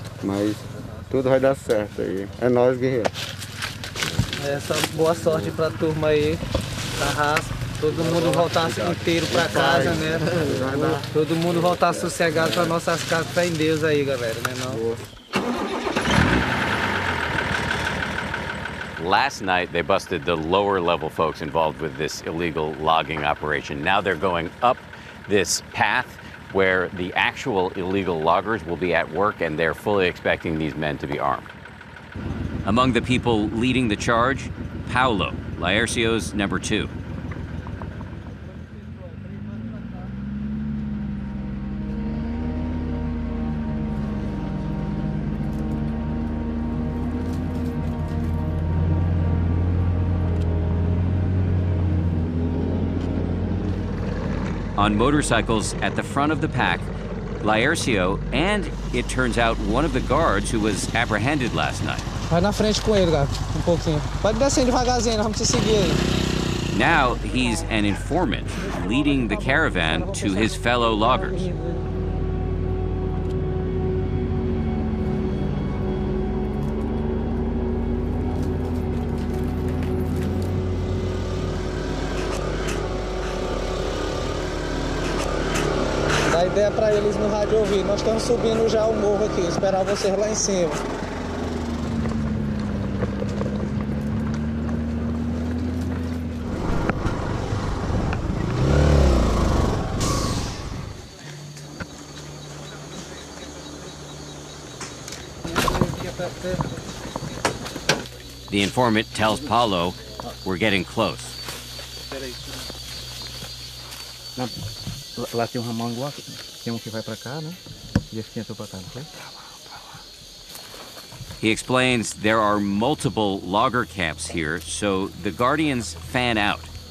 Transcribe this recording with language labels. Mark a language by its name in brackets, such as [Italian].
[Portuguese] Mas tudo vai dar certo aí. É nós, guerreiros. É só boa sorte pra turma aí, da raça. Todo mundo voltasse inteiro pra casa, né? Todo mundo voltar sossegado pra nossas casas, fé em Deus aí, galera, né? [English] Last night, they busted the lower-level folks involved with this illegal logging operation. Now they're going up this path where the actual illegal loggers will be at work, and they're fully expecting these men to be armed. Among the people leading the charge, Paulo, Laercio's number two. On motorcycles at the front of the pack, Laercio and, it turns out, one of the guards who was apprehended last night. [Portuguese] Vai na frente com ele, cara, um pouquinho. Pode descer devagarzinho, vamos te seguir aí. [English] Now he's an informant leading the caravan to his fellow loggers. [Portuguese] Dá A ideia é para eles no rádio ouvir. Nós estamos subindo já o morro aqui, esperar vocês lá em cima. [English] The informant tells Paulo, we're getting close. [Portuguese] Lá tem um ramal igual aqui. Tem um que vai pra cá, né? E esse que entrou pra cá, não foi? [English] He explains there are multiple logger camps here, so the guardians fan out.